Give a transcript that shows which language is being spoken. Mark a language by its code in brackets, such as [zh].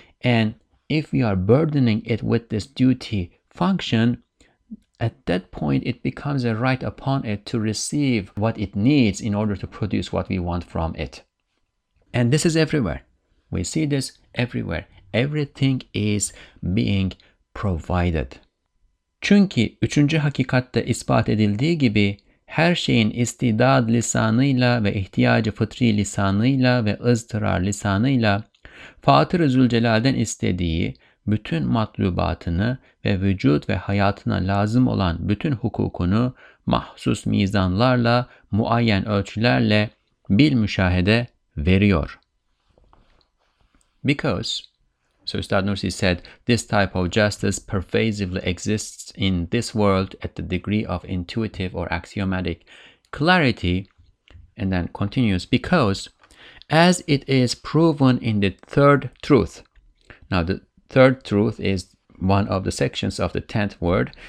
[en] And if we are burdening it with this duty function, at that point it becomes a right upon it to receive what it needs in order to produce what we want from it. And this is everywhere. We see this everywhere. Everything is being provided. [tr] Çünkü üçüncü hakikatte ispat edildiği gibi her şeyin istidad lisanıyla ve ihtiyacı fıtri lisanıyla ve ızdırar lisanıyla Fatır-ı Zülcelal'den istediği bütün matlubatını ve vücut ve hayatına lazım olan bütün hukukunu mahsus mizanlarla, muayyen ölçülerle bil müşahede veriyor. [en] Because, so Üstad Nursi said, this type of justice pervasively exists in this world at the degree of intuitive or axiomatic clarity, and then continues, because, as it is proven in the third truth, now the third truth is one of the sections of the tenth word.